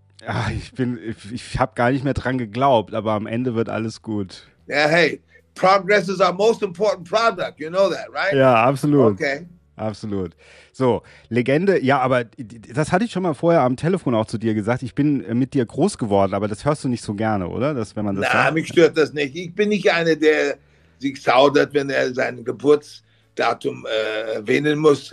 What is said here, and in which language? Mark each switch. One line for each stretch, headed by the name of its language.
German: Ja, ich hab gar nicht mehr dran geglaubt, aber am Ende wird alles gut.
English: Ja, hey, progress is our most important product. You know that, right?
German: Ja, absolut. Okay. Absolut. So, Legende, ja, aber das hatte ich schon mal vorher am Telefon auch zu dir gesagt. Ich bin mit dir groß geworden, aber das hörst du nicht so gerne, oder? Mich stört das nicht. Ich bin nicht einer, der sich zaudert, wenn er sein Geburtsdatum erwähnen muss.